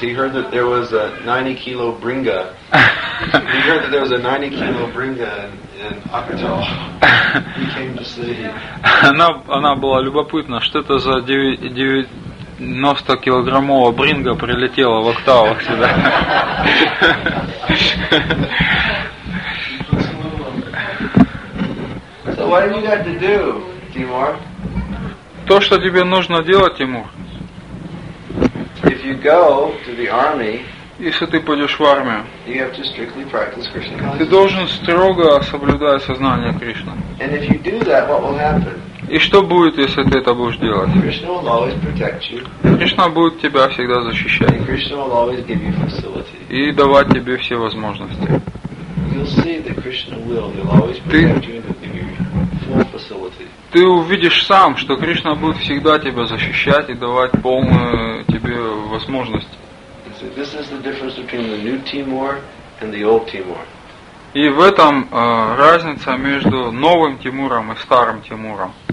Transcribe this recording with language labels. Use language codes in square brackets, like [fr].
[en] He heard that there was a 90 kilo bringa. He heard that there was a 90 kilo bringa in Akatal. He came to see. [ru] Она была любопытна, что это за 90 килограммовая бринга прилетела в Актау сюда. [en] So what have you got to do, Timur? [ru] То, что тебе нужно делать, Тимур. [en] If you go to the army, [ru] если ты пойдешь в армию, [en] you have to strictly practice Krishna consciousness. [ru] Ты должен строго соблюдать сознание Кришны. [en] And if you do that, what will happen? [ru] И что будет, если ты это будешь делать? [en] Krishna will always protect you. [ru] Кришна будет тебя всегда защищать. [en] And Krishna will always give you facility. [ru] И давать тебе все возможности. [en] You'll see that Krishna will. He'll always protect you and give you full facility. [ru] Ты увидишь сам, что Кришна будет всегда тебя защищать и давать полную тебе возможность. И в этом разница между новым Тимуром и старым Тимуром.